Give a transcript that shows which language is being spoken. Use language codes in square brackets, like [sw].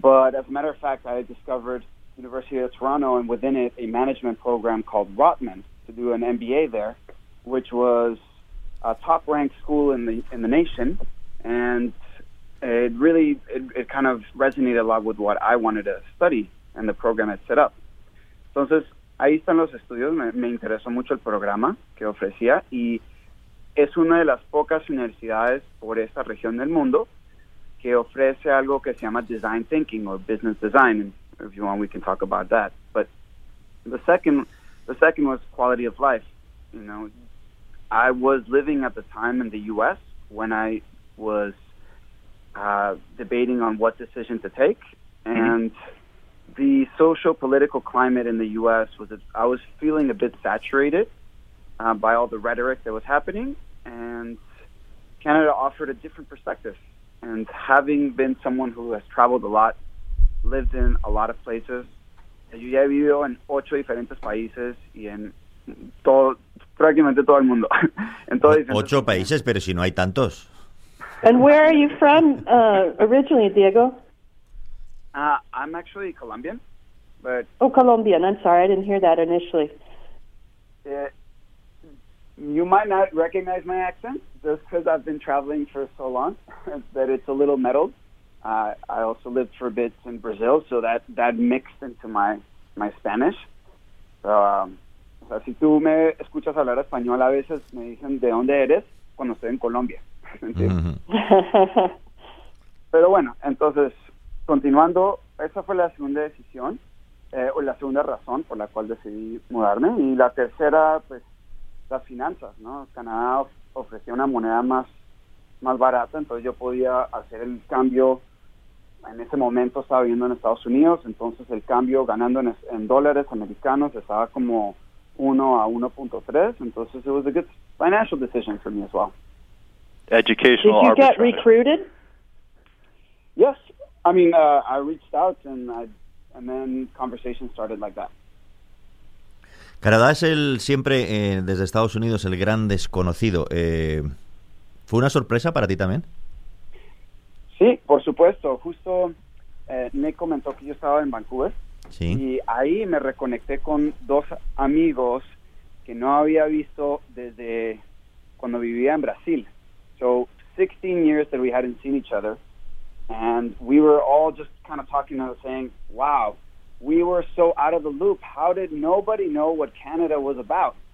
[en] But as a matter of fact, I discovered University of Toronto and within it a management program called Rotman to do an MBA there, which was a top-ranked school in the nation, and it really kind of resonated a lot with what I wanted to study and the program it set up. [es] Entonces, ahí están los estudios. Me interesó mucho el programa que ofrecía y es una de las pocas universidades por esta región del mundo que ofrece algo que se llama [en] design thinking or business design. If you want, we can talk about that. But the second was quality of life. You know, I was living at the time in the U.S. when I was debating on what decision to take. Mm-hmm. And the social political climate in the U.S. I was feeling a bit saturated by all the rhetoric that was happening. And Canada offered a different perspective. And having been someone who has traveled a lot, lived in a lot of places, [es] yo ya he vivido en 8 diferentes países y en prácticamente todo el mundo. Entonces, 8 países, pero si no hay tantos. [en] And where are you from originally, Diego? I'm actually Colombian. But oh, Colombian. I'm sorry. I didn't hear that initially. You might not recognize my accent just because I've been traveling for so long that it's a little muddled. I also lived for bits in Brazil, so that mixed into my Spanish. [es] So, si tú me escuchas hablar español, a veces me dicen de dónde eres cuando estoy en Colombia. Mm-hmm. Pero bueno, entonces, continuando, esa fue la segunda decisión, o la segunda razón por la cual decidí mudarme. Y la tercera, pues, las finanzas, ¿no? Canadá ofrecía una moneda más barata, entonces yo podía hacer el cambio. En ese momento estaba viviendo en Estados Unidos, entonces el cambio ganando en dólares americanos estaba como 1 a 1.3, entonces [en] it was a good financial decision for me as well. Educational arbitrage. Did you get recruited? Yes. I mean, I reached out and then conversation started like that. [es] Canadá es el siempre, desde Estados Unidos, el gran desconocido. ¿Fue una sorpresa para ti también? Sí, por supuesto. Justo Nick comentó que yo estaba en Vancouver. Sí. Y ahí me reconecté con dos amigos que no había visto desde cuando vivía en Brasil. [en] So, 16 years that we hadn't seen each other. And we were all just kind of talking and saying, wow. We were so out of the loop. How did nobody know what Canada was about?